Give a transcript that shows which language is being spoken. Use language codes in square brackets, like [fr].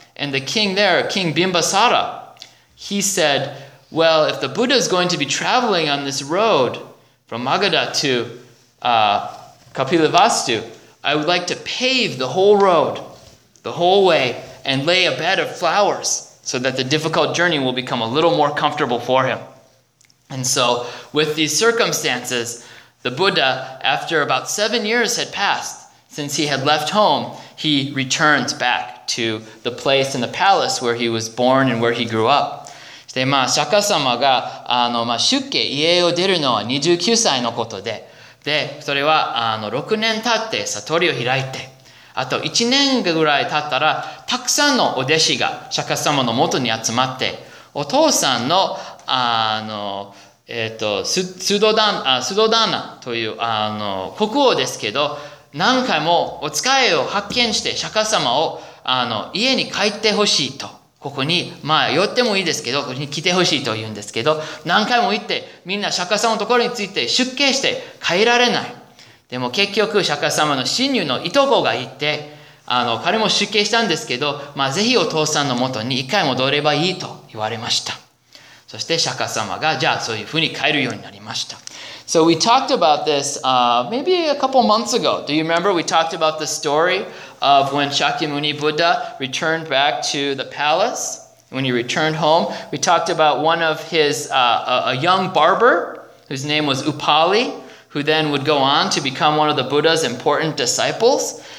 [en] And the king there, King Bimbisara, he said, well, if the Buddha is going to be traveling on this road from Magadha to Kapilavastu, I would like to pave the whole road, the whole way, and lay a bed of flowers so that the difficult journey will become a little more comfortable for him. And so with these circumstances, the Buddha, after about 7 years had passed since he had left home, he returns back to the place in the palace where he was born and where he grew up. [ja] で、まあ、釈迦様が、まあ、出家、家を出るのは29歳のことで、で、それは、6年経って悟りを開いて、あと1年ぐらい経ったら、たくさんのお弟子が釈迦様の元に集まって、お父さんの、スドダーナという、国王ですけど、何回もお使いを発見して釈迦様を、家に帰ってほしいと。ここに、まあ、寄ってもいいですけど、ここに来てほしいと言うんですけど、何回も行って、みんな釈迦様のところについて出家して帰られない。でも結局、釈迦様の親友のいとこが行って、彼も出家したんですけど、まあ、ぜひお父さんのもとに一回戻ればいいと言われました。そして釈迦様が、じゃあそういうふうに帰るようになりました。 [en] So we talked about this, maybe a couple months ago. Do you remember we talked about the story of when Shakyamuni Buddha returned back to the palace? When he returned home, we talked about one of his, a young barber whose name was Upali, who then would go on to become one of the Buddha's important disciples.